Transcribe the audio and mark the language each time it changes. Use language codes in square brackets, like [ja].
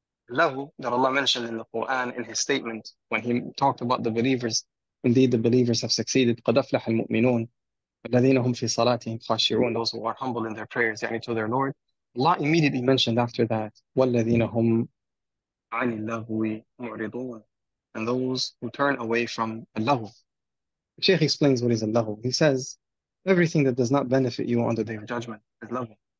[en] اللغو that Allah mentioned in the Quran in His statement when He talked about the believers. Indeed, the believers have succeeded. [ar] قد أفلح المؤمنون الذين هم في صلاتهم خاشعون. [en] Those who are humble in their prayers, يعني to their Lord. Allah immediately mentioned after that, [ar] وَالَّذِينَ هُمْ عَنِ اللَّغْوِ مُعْرِضُونَ, [en] and those who turn away from اللَّغْوِ. The Shaykh explains what is اللَّغْوِ. He says, everything that does not benefit you on the Day of Judgment is اللَّغْوِ.